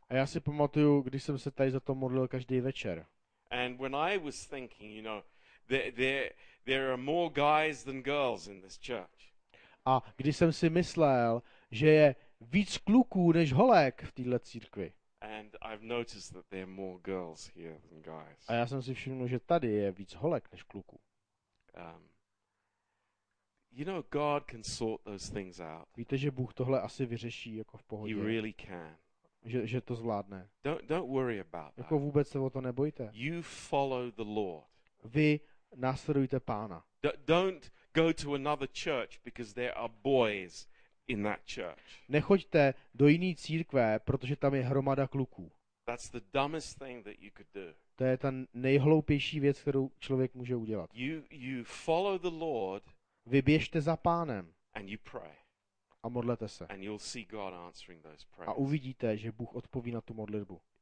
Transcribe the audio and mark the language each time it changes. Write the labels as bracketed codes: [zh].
[cs] A já si pamatuju, když jsem se tady za to modlil každý večer. [en] And when I was thinking, you know, there are more guys than girls in this church. [cs] A když jsem si myslel, že je víc kluků než holek v téhle církvi. [en] And I've noticed that there are more girls here than guys. [cs] A já jsem si všiml, že tady je víc holek než kluků. [en] You know, God can sort those things out. [cs] Víte, že Bůh tohle asi vyřeší jako v pohodě. [en] He really can. [cs] Že to zvládne. [en] Don't worry about [cs] that. Jako vůbec se o to nebojte. [en] You follow the Lord. [cs] Vy následujte Pána. [en] Don't go to another church because there are boys in that church. [cs] Nechoďte do jiné církve, protože tam je hromada kluků. [en] That's the dumbest thing that you could do. [cs] To je ta nejhloupější věc, kterou člověk může udělat. [en] You follow the Lord. [cs] Vy běžte za Pánem. [en] And you pray. [cs] A modlete se. [en] And you'll see God answering those prayers. [cs] A uvidíte, že Bůh odpoví na tu modlitbu.